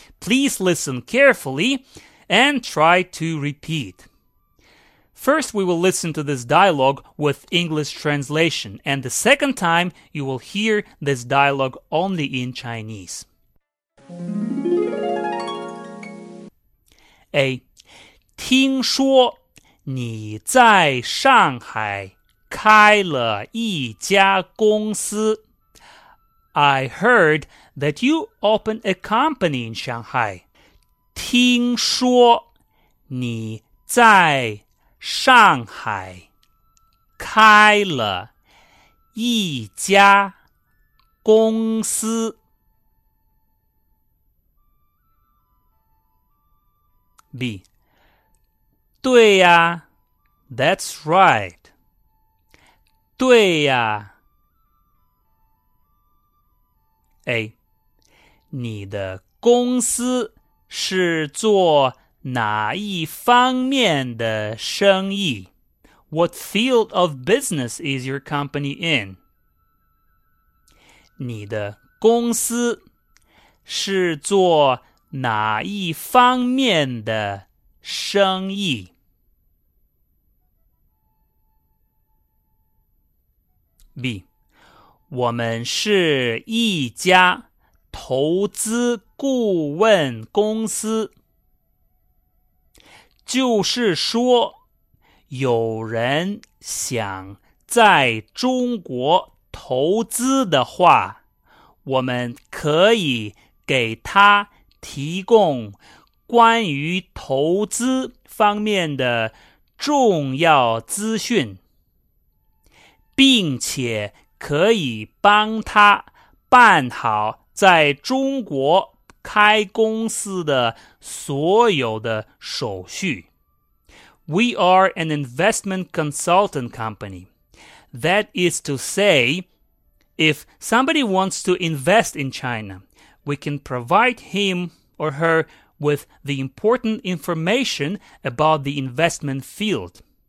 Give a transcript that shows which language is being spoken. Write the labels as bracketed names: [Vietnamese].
[English] Please listen carefully and try to repeat. First, we will listen to this dialogue with English translation, and the second time, you will hear this dialogue only in Chinese. A. [Chinese] 听说你在上海开了一家公司。 [English] I heard that you open a company in Shanghai. [Chinese] 听说你在上海开了一家公司。 [English] B. [Chinese] 对呀 [English] That's right. [Chinese] 对呀A. 你的公司是做哪一方面的生意? [English] What field of business is your company in? [Chinese] 你的公司是做哪一方面的生意? [English] B. [Chinese] 我们是一家投资顾问公司。就是说，有人想在中国投资的话，我们可以给他提供关于投资方面的重要资讯，并且可以帮他办好在中国开公司的所有的手续。 [English] We are an investment consultant company. That is to say, if somebody wants to invest in China, we can provide him or her with the important information about the investment field.